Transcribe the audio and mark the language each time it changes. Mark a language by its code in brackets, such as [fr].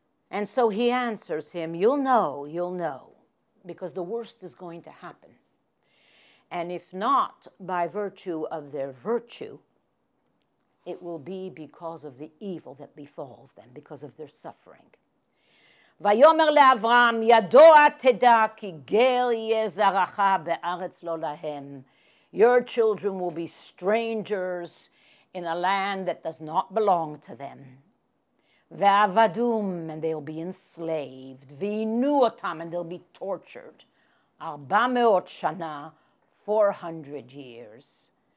[en] And so he answers him, you'll know, because the worst is going to happen. And if not by virtue of their virtue, it will be because of the evil that befalls them, because of their suffering. [he] ויאמר לאברהם, ידוע תדע כי גר יהיה זרעך בארץ לא להם. [en] Your children will be strangers in a land that does not belong to them. [he] ועבדום, [en] and they'll be enslaved. [he] ועינו אותם, [en] and they'll be tortured. [he] 400 שנה, [en] 400 years.